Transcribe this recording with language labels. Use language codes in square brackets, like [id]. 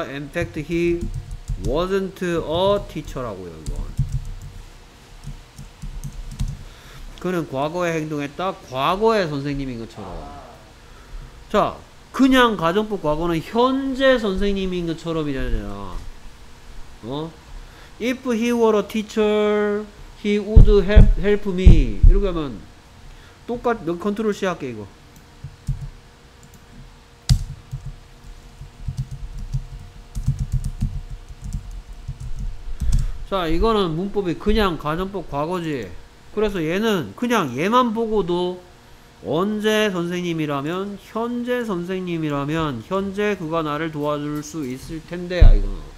[en] In fact, he wasn't a teacher [ko] 라고요, 이건. 그는 과거에 행동했다? 과거의 선생님인 것처럼. 자, 그냥 가정법 과거는 현재 선생님인 것처럼이잖아. 어? [en] If he were a teacher, he would help me. [ko] 이렇게 하면 똑같, 너 컨트롤 C 할게, 이거. 자 이거는 문법이 그냥 가정법 과거지. 그래서 얘는 그냥 얘만 보고도 언제 선생님이라면 현재 선생님이라면 현재 그가 나를 도와줄 수 있을 텐데야 이거는.